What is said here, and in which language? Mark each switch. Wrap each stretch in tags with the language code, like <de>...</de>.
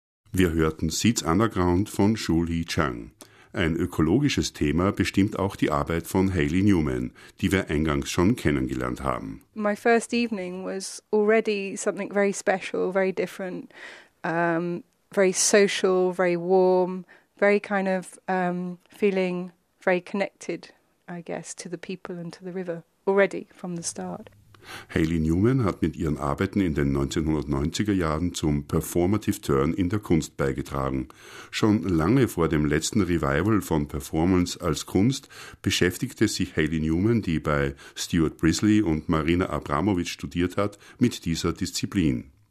<de>Wir hörten Seeds Underground von Shu-Li Chang. Ein ökologisches Thema bestimmt auch die Arbeit von Hayley Newman, die wir eingangs schon kennengelernt haben.</de> <en>My first evening was already something very special, very different, very social, very warm, very kind of feeling very connected, I guess, to the people and to the river already from the start.</en> <de>Hayley Newman hat mit ihren Arbeiten in den 1990er Jahren zum Performative Turn in der Kunst beigetragen. Schon lange vor dem letzten Revival von Performance als Kunst beschäftigte sich Hayley Newman, die bei Stuart Brisley und Marina Abramović studiert hat, mit dieser Disziplin.</de>